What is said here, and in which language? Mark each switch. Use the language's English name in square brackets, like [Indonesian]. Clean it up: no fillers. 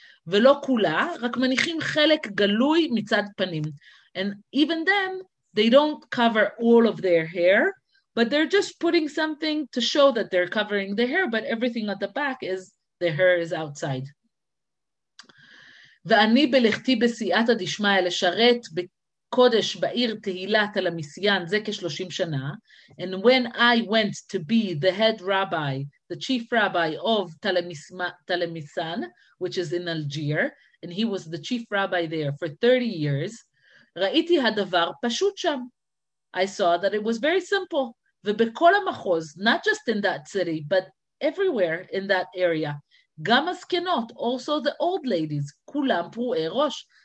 [Hebrew] Velo kula, rak manichim chelek galui mitzad panim. [English] And even then, they don't cover all of their hair, but they're just putting something to show that they're covering their hair, but everything at the back is, the hair is outside. [Hebrew] Ve'ani belechti besi'ata dishmaya lesharet קודש בעיר תהילת על המסיין זה כ-30 שנה. [English] And when I went to be the head rabbi, the chief rabbi of Talemisan, which is in Algier, and he was the chief rabbi there for 30 years, ראיתי הדבר פשוט שם. I saw that it was very simple. ובכל המחוז, not just in that city, but everywhere in that area, גם הזקנות, also the old ladies, כולם פרועי ראש.